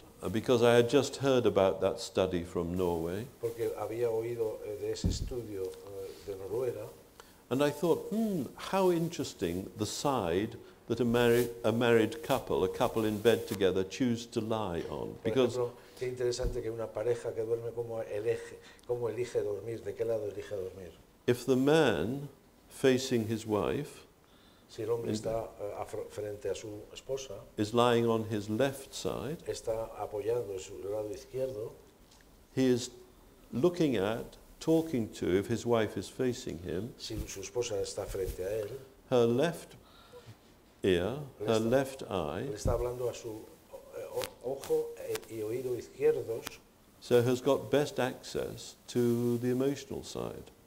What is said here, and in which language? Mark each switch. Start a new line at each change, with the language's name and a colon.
English: Because I had just heard about that study from Norway.
Spanish: Porque había oído de ese estudio de Noruega.
English: And I thought, how interesting the side that a couple in bed together, choose to lie on. Because
Spanish: qué interesante que una pareja que duerme cómo elige dormir, de qué lado elige dormir.
English: If the man facing his wife,
Spanish: si el hombre está frente a su esposa,
English: is lying on his left side,
Spanish: está apoyado en su lado izquierdo,
English: he is looking at, talking to, if his wife is facing him,
Spanish: si su esposa está frente a él,
English: her left ear, her left eye,
Spanish: le está hablando a su ojo y oído izquierdos,
English: so has got best access to the emotional side.